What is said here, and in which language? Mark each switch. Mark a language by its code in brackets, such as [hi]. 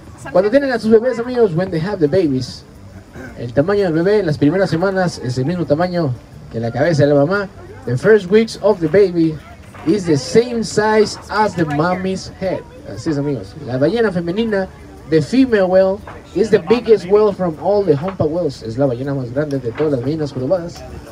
[es] Cuando tienen a sus bebés, amigos, [en] when they have the babies, [es] el tamaño del bebé en las primeras semanas es el mismo tamaño que la cabeza de la mamá. [en] The first weeks of the baby is the same size as the mommy's head. [es] Así es, amigos. La ballena femenina, [en] the female whale, is the biggest whale from all the humpback whales. [es] Es la ballena más grande de todas las ballenas jorobadas.